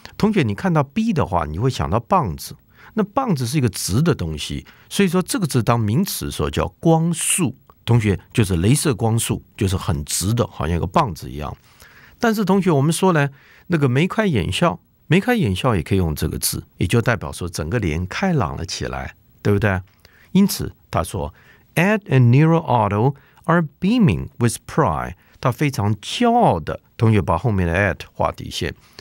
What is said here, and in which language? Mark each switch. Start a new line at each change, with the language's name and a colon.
Chinese: 同学，你看到 b 的话，你会想到棒子。那棒子是一个直的东西，所以说这个字当名词的时候叫光束。同学就是镭射光束，就是很直的，好像一个棒子一样。但是同学，我们说呢，那个眉开眼笑，眉开眼笑也可以用这个字，也就代表说整个脸开朗了起来，对不对？因此他说。
English: Ed and Nero Otto are beaming with pride.
Chinese: 他非常骄傲的，同学把后面的 at 画底线。